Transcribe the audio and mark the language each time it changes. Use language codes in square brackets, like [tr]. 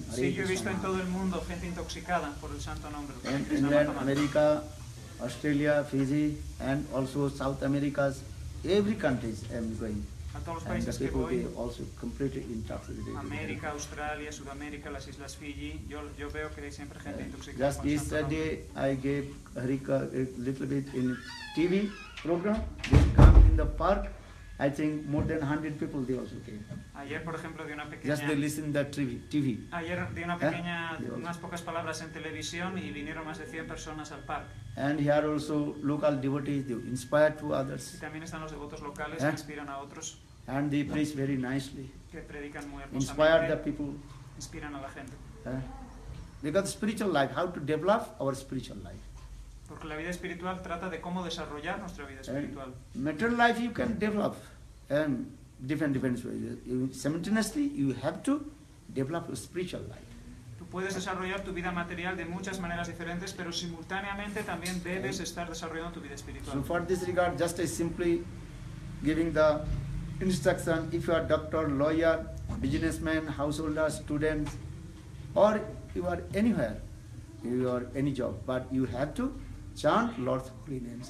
[es] Sí, yo he visto en todo el mundo gente intoxicada por el santo nombre. [en] And England, America, Australia, Fiji, and also South America, every country is going. [es] A todos los países que voy, [en] be also completely intoxicated. [es] América, Australia, Sudamérica, las Islas Fiji, yo veo que hay siempre gente intoxicada. [en] Just yesterday I gave Harika a little bit in TV program. They come in the park, I think more than 100 people they also came. [es] Ayer, por ejemplo, de una pequeña... [en] Just they listen to the TV. [es] Ayer de una pequeña, unas pocas palabras en televisión y vinieron más de 100 personas al park. [en] And here also local devotees they inspire to others. [es] Y también están los devotos locales que inspiran a otros. [en] And they preach very nicely. [es] Que predican muy hermosamente. [en] Inspire the people. [es] Inspiran a la gente. [en] Because spiritual life, how to develop our spiritual life. [es] Porque la vida espiritual trata de cómo desarrollar nuestra vida espiritual. [en] Material life you can develop and different ways. Simultaneously you have to develop your spiritual life. [es] Puedes desarrollar tu vida material de muchas maneras diferentes, pero simultáneamente también debes estar desarrollando tu vida espiritual. [en] So for this regard, just simply giving the instruction, if you are doctor, lawyer, businessman, householder, student, or you are anywhere, you are any job, but you have to chant Lord's holy names.